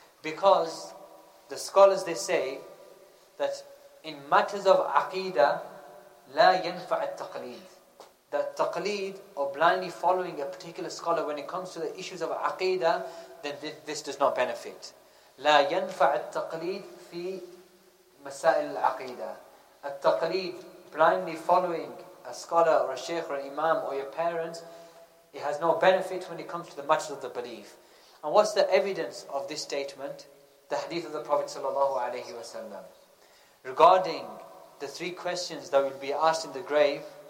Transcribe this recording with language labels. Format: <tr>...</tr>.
<en>Because the scholars, they say that in matters of aqeedah,</en> <ar>la yanfa' at-taqleed.</ar> <en>That taqleed, or blindly following a particular scholar when it comes to the issues of aqeedah, then this does not benefit.</en> <ar>لا ينفع التقليد في مسائل العقيدة.</ar> <en>التقليد, blindly following a scholar or a sheikh or an imam or your parents, it has no benefit when it comes to the matters of the belief. And what's the evidence of this statement? The hadith of the Prophet sallallahu alaihi wasallam regarding the three questions that will be asked in the grave.</en>